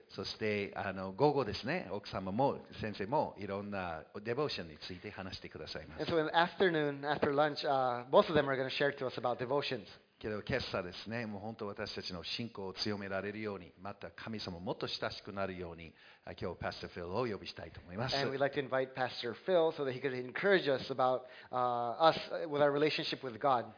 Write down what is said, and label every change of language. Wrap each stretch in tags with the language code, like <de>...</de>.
<ja>そして午後ですね、奥様も先生もいろんなデボーションについて話してくださいます。</ja> <en>And so in the afternoon, after lunch, both of them are going to share to us about devotions.</en> <ja>けど今朝ですね、もう本当私たちの信仰を強められるように、また神様もっと親しくなるように、今日パスタフィルを呼びしたいと思います。</ja> <en>And we'd like to invite Pastor Phil so that he could encourage us about us with our relationship with God.</en>